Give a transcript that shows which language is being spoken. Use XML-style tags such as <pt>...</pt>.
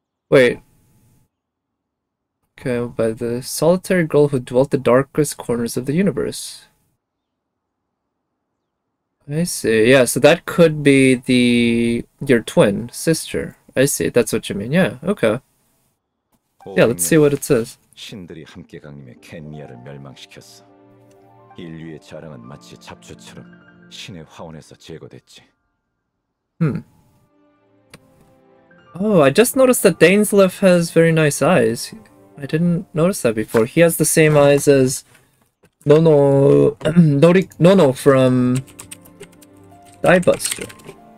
<en>Wait. Okay, by the solitary girl who dwelt in the darkest corners of the universe. I see. Yeah, so that could be your twin sister. I see. That's what you mean. Yeah. Okay. Yeah, let's see what it says.</en> <ko>신들이 함께 강림해 켄니아를 멸망시켰어. 인류의 자랑은 마치 잡초처럼 신의 화원에서 제거됐지.</ko> <en>Oh, I just noticed that Dainsleif has very nice eyes. I didn't notice that before. He has the same eyes as Nono from Diebuster.</en>